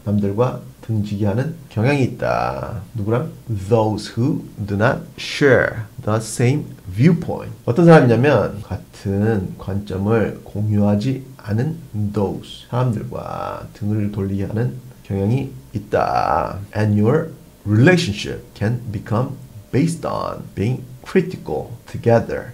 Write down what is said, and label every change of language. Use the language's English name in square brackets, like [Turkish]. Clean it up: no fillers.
[Korean] 남들과 등지게 하는 경향이 있다. 누구랑? [English] Those who do not share the same viewpoint. [Korean] 어떤 사람이냐면 같은 관점을 공유하지 않은 those, 사람들과 등을 돌리게 하는 경향이 있다. [English] And your relationship can become based on being critical together.